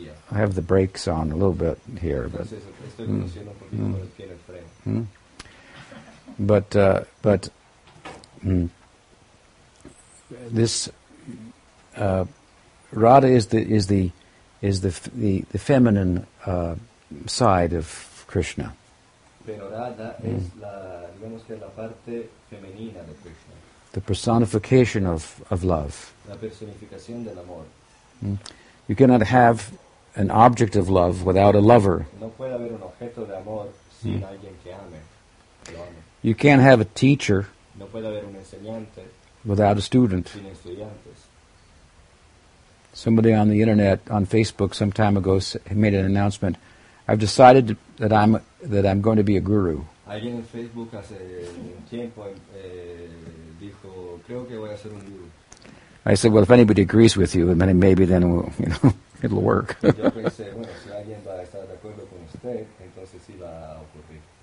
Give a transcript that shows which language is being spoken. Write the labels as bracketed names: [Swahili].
[English] I have the brakes on a little bit here, but this Radha is the feminine side of Krishna. [Spanish] Pero Radha es la, digamos que la parte femenina de Krishna. [English] The personification of love. [Spanish] La personificación del amor. [English] You cannot have an object of love without a lover. [Spanish] No puede haber un objeto de amor sin alguien que ame. [English] You can't have a teacher. [Spanish] No puede haber un enseñante [English] without a student. [Spanish] Sin estudiantes. [English] Somebody on the internet, on Facebook, some time ago, made an announcement. I've decided that I'm going to be a guru. [Spanish] Alguien en Facebook hace un tiempo dijo, creo que voy a ser un guru. [English] I said, well, if anybody agrees with you, then maybe then it'll work. [Spanish] Yo pensé, bueno, si alguien va a estar de acuerdo con usted, entonces sí va a ocurrir.